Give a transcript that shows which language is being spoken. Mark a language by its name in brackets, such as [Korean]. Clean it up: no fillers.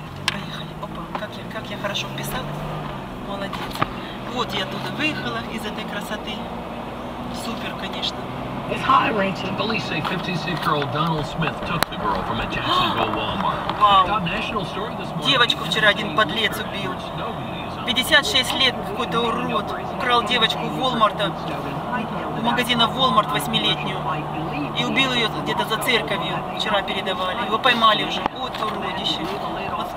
[Russian] Поехали. Опа, как я хорошо вписалась. Молодец. Вот я оттуда выехала из этой красоты. Супер, конечно. [English] It's high-ranking. Police say 56-year-old Donald Smith took the girl from a Jacksonville Walmart. [Russian] Вау. Девочку вчера один подлец убил. 56 лет какой-то урод украл девочку Walmart'а, магазина Walmart 8-летнюю, и убил ее где-то за церковью, вчера передавали, его поймали уже, вот уродище, вот